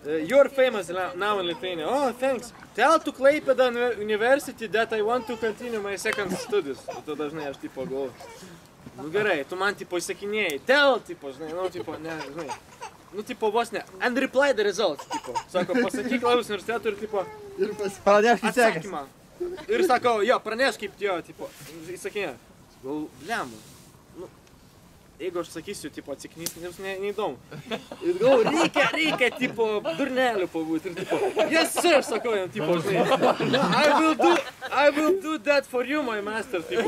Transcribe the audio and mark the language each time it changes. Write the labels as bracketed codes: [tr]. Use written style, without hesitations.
[en] You're famous now in Lithuania. Oh, thanks. Tell to Klaipėda University that I want to continue my second studies. [lt] Tu dažnai aš tipo galvoju. Nu gerai, tu man tipo įsakinėjai, tell, tipo, žinai, nu, tipo, ne, žinai, nu, tipo, vos ne, [en] and reply the results, [lt] tipo, sako, pasakyk Klaipėdos universitetui ir, tipo, ir pranešk atsakymą, ir sako, jo, pranešk kaip, jo, tipo, įsakinėjai, gal, blemu, nu, jeigu aš sakysiu, tipo, atsiknys, jums neįdomu. Ir galvoju, reikia, tipo, durnelių pabūti. Ir, tipo, [en] yes, sir, [lt] sakau jam, tipo, žinai. [en] I will do that for you, my master, tipo.